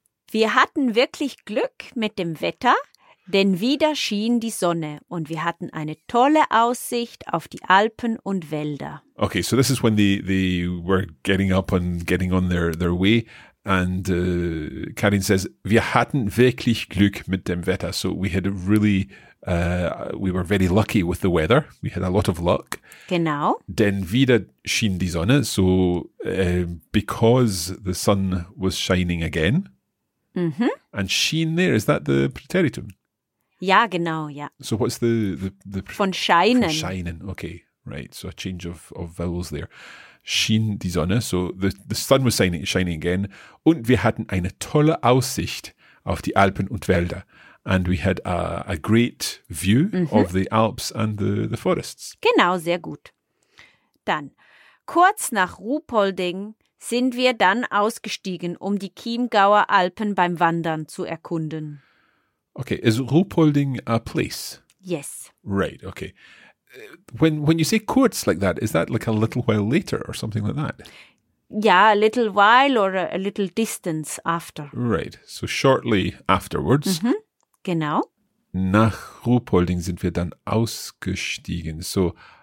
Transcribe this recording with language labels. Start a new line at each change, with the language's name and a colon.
German: Wir hatten wirklich Glück mit dem Wetter, denn wieder schien die Sonne und wir hatten eine tolle Aussicht auf die Alpen und Wälder.
English: Okay, so this is when they were getting up and getting on their way. And Karin says,
German: wir hatten wirklich Glück mit dem Wetter.
English: So we had we were very lucky with the weather. We had a lot of luck.
German: Genau. Denn wieder schien die Sonne.
English: So because the sun was shining again. Mm-hmm. And schien there, is that the preteritum?
German: Ja, genau, ja.
English: So what's the
German: von scheinen. Von scheinen,
English: okay, right. So a change of vowels there.
German: Schien die Sonne,
English: so the sun was shining again.
German: Und wir hatten eine tolle Aussicht auf die Alpen und Wälder.
English: And we had a great view mm-hmm. of the Alps and the forests.
German: Genau, sehr gut. Dann, kurz nach Ruhpolding sind wir dann ausgestiegen, um die Chiemgauer Alpen beim Wandern zu erkunden.
English: Okay, is Ruhpolding a place? Yes. Right, okay. When you say kurz like that, is that like a little while later or something like that? Yeah, a little while or a little distance after. Right, so shortly afterwards.
German: Mm-hmm. Genau. Nach Ruhpolding sind wir dann ausgestiegen,
English: so...